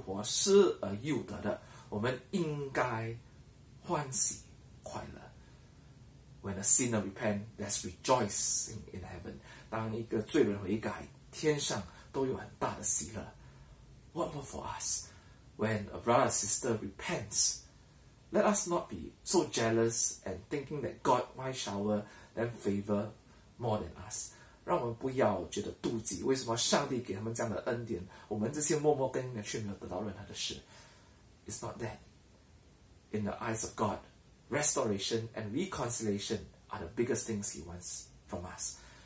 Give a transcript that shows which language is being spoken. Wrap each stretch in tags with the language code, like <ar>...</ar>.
<zh>只是因为你这个弟弟是因死而复活,失而又得的。我们应该欢喜快乐。</zh> <en>When a sinner repents, there's rejoicing in heaven.</en> <zh>当一个罪人悔改，天上都有很大的喜乐。</zh> <en>What more for us? When a brother or sister repents, let us not be so jealous and thinking that God might shower them favor more than us.</en> <zh>让我们不要觉得妒忌，为什么上帝给他们这样的恩典，我们这些默默耕耘却没有得到任何的事。</zh> <en>It's not that. In the eyes of God, restoration and reconciliation are the biggest things He wants from us.</en>